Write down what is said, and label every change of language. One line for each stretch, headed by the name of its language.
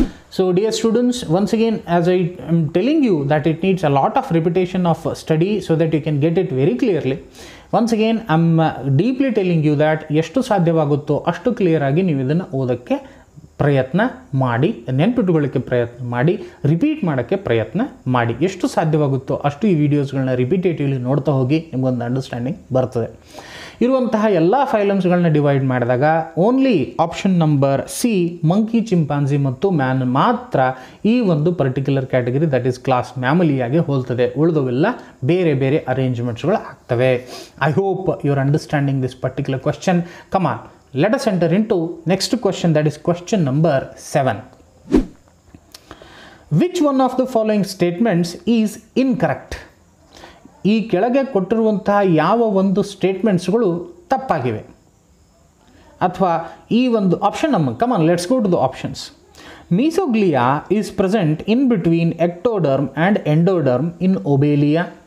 English: So dear students, once again, as I am telling you that it needs a lot of repetition of study so that you can get it very clearly. Once again, I'm deeply telling you that
Kannada: eshtu sadhyavagutto ashtu clear agi neevu idanna odakke ಪ್ರಯತ್ನ ಮಾಡಿ, ನೆನ್ಪಿಟ್ಟುಕೊಳ್ಳೋಕ್ಕೆ ಪ್ರಯತ್ನ ಮಾಡಿ, repeat ಮಾಡೋಕ್ಕೆ ಪ್ರಯತ್ನ ಮಾಡಿ. ಎಷ್ಟು ಸಾಧ್ಯವಾಗುತ್ತೋ ಅಷ್ಟು ಈ ವಿಡಿಯೋಸ್ಗಳನ್ನ ರಿಪೀಟೇಟಿವ್ಲಿ ನೋಡ್ತಾ ಹೋಗಿ, ನಿಮಗೊಂದು ಅಂಡರ್ಸ್ಟ್ಯಾಂಡಿಂಗ್ ಬರ್ತದೆ. ಇರುವಂತಹ ಎಲ್ಲ ಫೈಲಮ್ಸ್ಗಳನ್ನ ಡಿವೈಡ್ ಮಾಡಿದಾಗ only option number C, monkey, ಚಿಂಪಾನ್ಜಿ ಮತ್ತು ಮ್ಯಾನ್ ಮಾತ್ರ ಈ ಒಂದು particular category, that is class ಮ್ಯಾಮಲಿಯಾಗಿ ಹೋಲ್ತದೆ. ಉಳಿದವೆಲ್ಲ ಬೇರೆ ಬೇರೆ ಅರೇಂಜ್ಮೆಂಟ್ಸ್ಗಳು ಆಗ್ತವೆ.
English: I hope you are understanding this particular question. Come on, let us enter into next question, that is question number 7. Which one of the following statements is incorrect?
Kannada: ಈ ಕೆಳಗೆ ಕೊಟ್ಟಿರುವಂತಹ ಯಾವ ಒಂದು ಸ್ಟೇಟ್ಮೆಂಟ್ಸ್ಗಳು ತಪ್ಪಾಗಿವೆ ಅಥವಾ ಈ ಒಂದು ಆಪ್ಷನ್ ನಮ್ಮ
English: Come on let's go to the options. Mesoglea is present in between ectoderm and endoderm in Obelia.